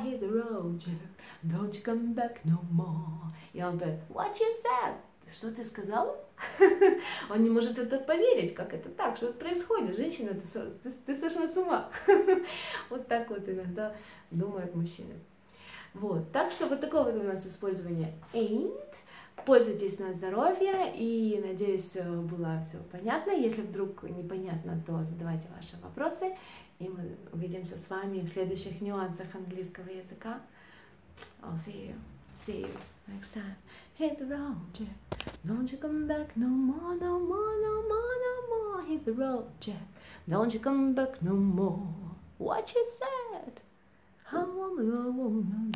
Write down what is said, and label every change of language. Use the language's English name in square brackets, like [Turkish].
[English] Hit the road, Jack, don't you come back no more. [Russian] И он говорит, [English] what you said? [Russian] Что ты сказал? Он не может это поверить, как это так, что-то происходит. Женщина, ты сошла с ума. Вот так вот иногда думают мужчины. Вот, так что вот такое вот у нас использование ain't. Пользуйтесь на здоровье и, надеюсь, было все понятно. Если вдруг непонятно, то задавайте ваши вопросы, и мы увидимся с вами в следующих нюансах английского языка. [English] I'll see you next time. Hit the road, Jack. Don't you come back no more, no more, no more, no more. Hit the road, Jack. Don't you come back no more. What you said? How am I?